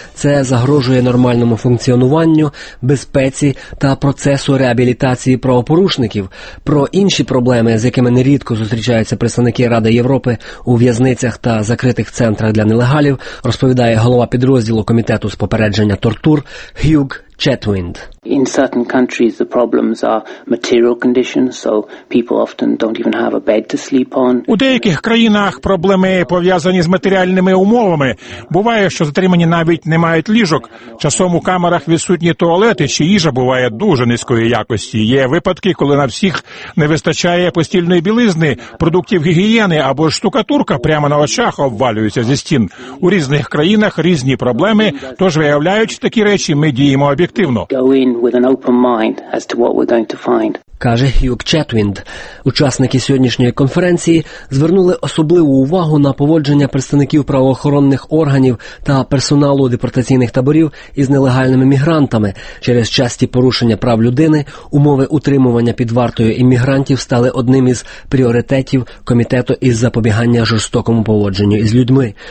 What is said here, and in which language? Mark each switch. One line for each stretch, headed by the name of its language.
Ukrainian: Це загрожує нормальному функціонуванню, безпеці та процесу реабілітації правопорушників. Про інші проблеми, з якими нерідко зустрічаються представники Ради Європи у в'язницях та закритих центрах для нелегалів, розповідає голова підрозділу Комітету з попередження тортур Хьюг Четвінд.
English: In certain countries the problems are material conditions, so people often don't even have a bed to sleep on.
Ukrainian: У деяких країнах проблеми пов'язані з матеріальними умовами. Буває, що затримані навіть не мають ліжок. Часом у камерах відсутні туалети чи їжа буває дуже низької якості. Є випадки, коли на всіх не вистачає постільної білизни, продуктів гігієни або штукатурка прямо на очах обвалюється зі стін. У різних країнах різні проблеми, тож виявляючи такі речі, ми діємо об'єктивно.
English: With an open mind as to what we're going to find.
Ukrainian: Каже Хьюг Четвінд. Учасники сьогоднішньої конференції звернули особливу увагу на поводження представників правоохоронних органів та персоналу депортаційних таборів із нелегальними мігрантами. Через часті порушення прав людини умови утримування під вартою іммігрантів стали одним із пріоритетів Комітету із запобігання жорстокому поводженню із людьми.